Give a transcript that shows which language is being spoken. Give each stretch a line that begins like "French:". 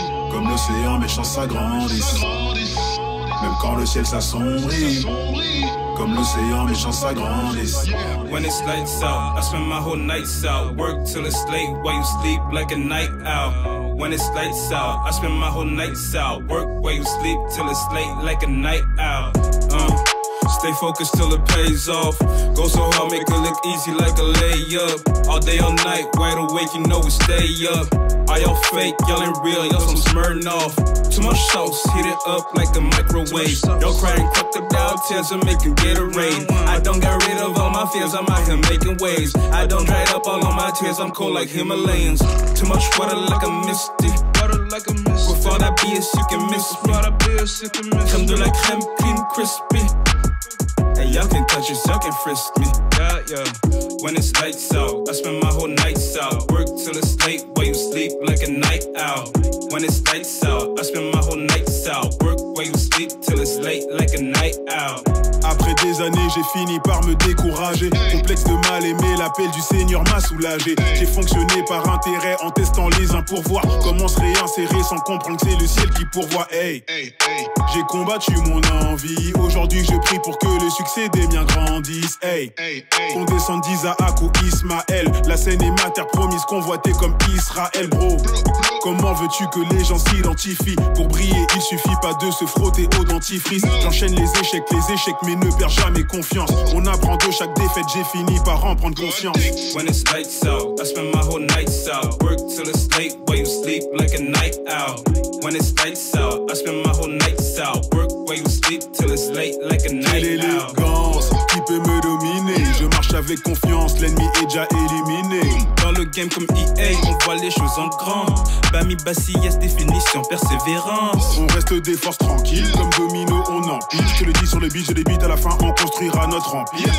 French: Comme l'océan méchant s'agrandit. Même quand le ciel s'assombrit. Comme l'océan méchant s'agrandit.
English: When it's lights out, I spend my whole nights out. Work till it's late while you sleep like a night owl. When it's lights out, I spend my whole nights out. Work while you sleep till it's late like a night owl. Stay focused till it pays off. Go so hard, make it look easy like a layup. All day, all night, wide awake, you know we stay up. All y'all fake, y'all ain't real, y'all some Smirnoff. Too much sauce, heat it up like a microwave. Y'all crying crocodile tears and making Gatorade. I don't get rid of all my fears, I'm out here making waves. I don't dry up all of my tears, I'm cold like Himalayans. Too much water like a mystic. With all that BS, you can miss me. Come do like creme cream crispy. And y'all can touch it, y'all can frisk me. Yeah, yeah. When it's lights out, I spend my whole nights out. Work till it's late while you sleep like a night owl. When it's lights out, I spend my whole nights out. Work while you sleep till it's late like a night owl.
French: Après des années, j'ai fini par me décourager. Complexe de mal aimé, l'appel du Seigneur m'a soulagé. J'ai fonctionné par intérêt en testant les uns pour voir comment se réinsérer sans comprendre que c'est le ciel qui pourvoit. Hey. J'ai combattu mon envie. Aujourd'hui, je prie pour que le succès des miens grandisse. Hey. Qu'on descende d'Isaac ou Ismaël. La scène est ma terre promise, convoitée comme Israël, bro. Comment veux-tu que les gens s'identifient? Pour briller, il suffit pas de se frotter au dentifrice. J'enchaîne les échecs mais ne perds jamais confiance. On apprend de chaque défaite, j'ai fini par en prendre conscience.
English: When it's lights out, I spend my whole nights out. Work till it's late while you sleep like a night owl. When it's lights out, I spend my whole nights out. Work while you sleep till it's late like a night owl.
French: Quelle élégance, qui peut me dominer? Je marche avec confiance, l'ennemi est déjà éliminé. Dans le game comme EA, on voit les choses en grand. Bami Bassi, yes, définition, persévérance. On reste des forces tranquilles, comme domino, on empile. Je le dis sur le beat, je débite, à la fin, on construira notre empire.